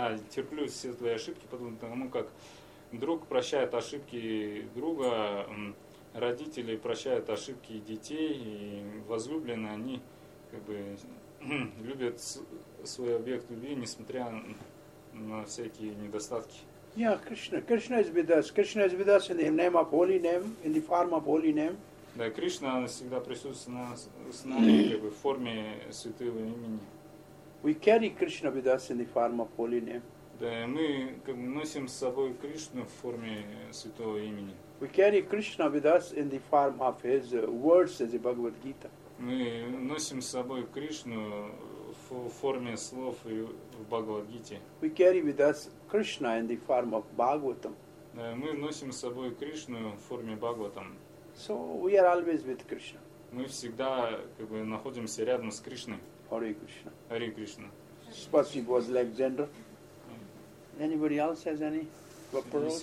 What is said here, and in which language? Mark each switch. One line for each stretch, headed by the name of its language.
Russian: терплю все твои ошибки подобно тому, как друг прощает ошибки друга, родители прощают ошибки детей, и возлюбленные они как бы любят свой объект любви, несмотря на всякие недостатки.
English: Yeah, Krishna. Krishna is with us. Krishna is with us in the name of holy name, in the form of holy name.
Russian: Да, Кришна всегда присутствует с нами как бы в форме святого имени.
English: We carry Krishna with us in the form of holy name.
Russian: Да, мы как бы носим с собой Кришну в форме святого имени.
English: We carry Krishna with us in the form of his words as the Bhagavad Gita.
Russian: Мы носим с собой Кришну в форме слов и в Бхагавад-гите.
English: We carry with us Krishna in the form of Bhagavatam.
Russian: Да, мы носим с собой Кришну в форме Бхагаватам.
English: So we are always with Krishna.
Russian: Мы всегда как бы находимся рядом с Кришной.
English: Hare Krishna. Hare Krishna.
Russian: Спасибо, Александр.
English: Anybody else has any вопросы?